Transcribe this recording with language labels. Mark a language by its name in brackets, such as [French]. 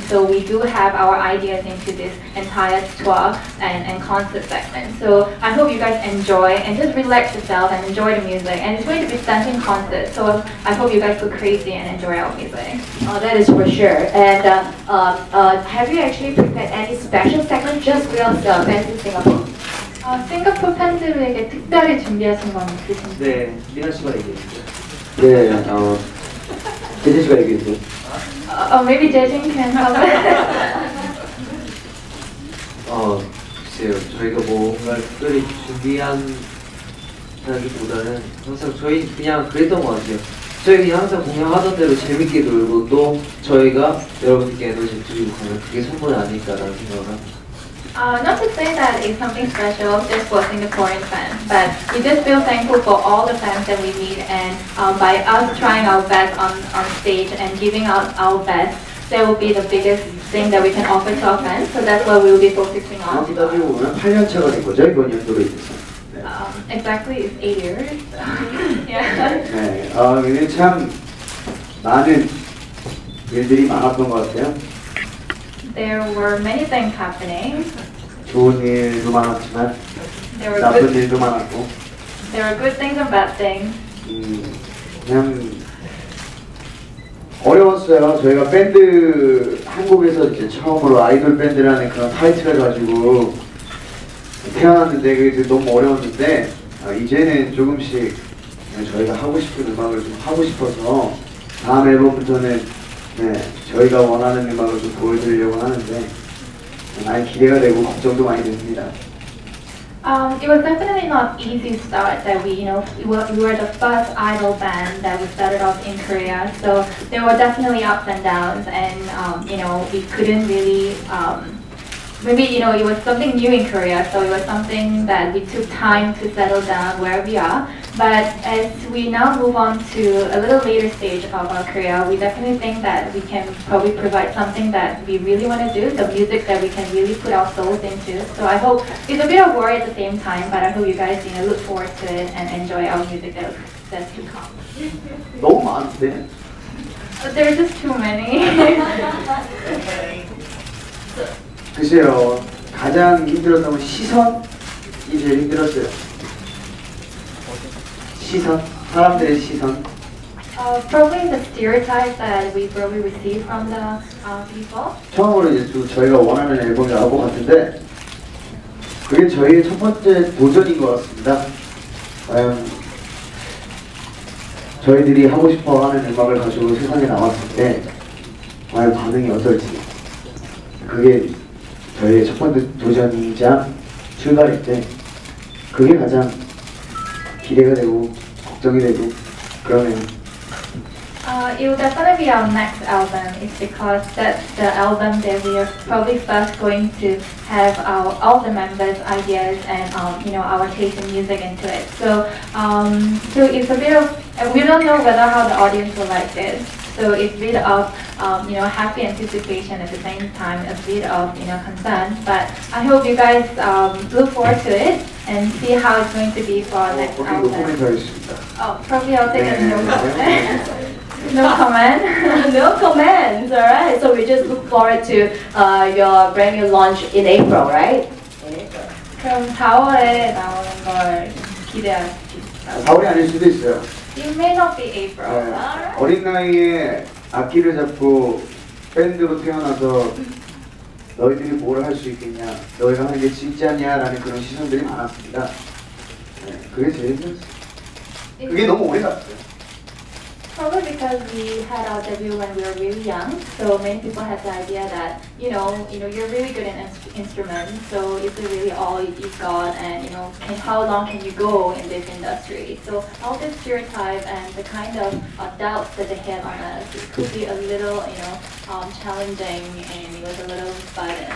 [English] So we do have our ideas into this entire tour and concert segment. So I hope you guys enjoy and just relax yourself and enjoy the music. And it's going to be stunning concert. So I hope you guys go crazy and enjoy our music. Oh, that is for sure. And have you actually prepared any special segment just for yourself and to Singapore? [Korean] 싱가포르 팬들에게 특별히 준비하신 건 있으신가요? 네, 리나 씨가 얘기했어요. 네, 제진 씨가 얘기했어요. [English] Maybe 제진 can help. [Korean] 글쎄요, 저희가 뭔가 특별히 준비한다기보다는 항상 저희 그냥 그랬던 것 같아요. 저희가 항상 공연하던 대로 재밌게 놀고 또 저희가 여러분께 에너지 드리고 가면 그게 선물이 아닐까라는 생각을 합니다. [English] Not to say that it's something special just for Singaporean fans, but we just feel thankful for all the fans that we meet and by us trying our best on stage and giving out our best, that will be the biggest thing that we can offer to our fans. So that's what we'll be focusing on. [Korean] 8년차가 된 거죠, 이번 연도로 인해서. [English] Exactly, it's 8 years. [Korean] 네, 근데 참 많은 일들이 많았던 것 같아요. [English] There were many things happening. [Korean] 좋은 일도 많았지만 나쁜 일도 많았고. [English] There were good things and bad things. [Korean] 그냥 어려웠어요. 저희가 밴드 한국에서 이제 처음으로 아이돌 밴드라는 그런 타이틀을 가지고 태어났는데 그게 너무 어려웠는데 이제는 조금씩 저희가 하고 싶은 음악을 좀 하고 싶어서 다음 앨범부터는. 네, 저희가 원하는 음악을 좀 보여드리려고 하는데 많이 기대가 되고 걱정도 많이 됩니다. [English] It was definitely not easy start that we, we were the first idol band that we started off in Korea. So there were definitely ups and downs, and we couldn't really. It was something new in Korea, so it was something that we took time to settle down where we are. But as we now move on to a little later stage of our career, we definitely think that we can probably provide something that we really want to do, the music that we can really put our souls into. So I hope, it's a bit of worry at the same time, but I hope you guys look forward to it and enjoy our music that's to come. [Korean] 너무 많은데? [English] But there's just too many. [Korean] 글쎄요, 가장 힘들었던 건 시선이 제일 힘들었어요. 시선, 사람들의 시선. [English] Probably the stereotype that we probably receive from the people. [Korean] 처음으로 이제 저희가 원하는 앨범이 나올 것 같은데 그게 저희의 첫 번째 도전인 것 같습니다. 저희들이 하고 싶어 하는 음악을 가지고 세상에 나왔을 때 과연 반응이 어떨지, 그게 저희의 첫 번째 도전이자 출발일 때 그게 가장 기대가 되고 걱정이 되고 그러면 [English] It will definitely be our next album. It's because that's the album that we are probably first going to have our, all the members' ideas and you know, our taste in music into it. So, so it's a bit of, and we don't know whether how the audience will like this. So it's a bit of you know, happy anticipation at the same time, a bit of you know, concern. But I hope you guys look forward to it and see how it's going to be for our next album. Oh, probably I'll take a note. No comment. No comments. All right. So we just look forward to your brand new launch in April, right? In April. [Korean] 그럼 4월에 나오는 걸 기대할 수 있어요. 4월이 아닐 수도 있어요. [English] It may not be April. [Korean] 네. 어린 나이에 악기를 잡고 밴드로 태어나서 너희들이 뭘 할 수 있겠냐, 너희가 하는 게 진짜냐 라는 그런 시선들이 많았습니다. 네. 그게 제일 힘들었어요. 그게 너무 오래 갔어요. [English] Probably because we had our debut when we were really young, so many people had the idea that you know you're really good in instruments, so is it really all you've got, and you know, and how long can you go in this industry? So all this stereotype and the kind of doubts that they had on us, it could be a little challenging, and it was a little fun.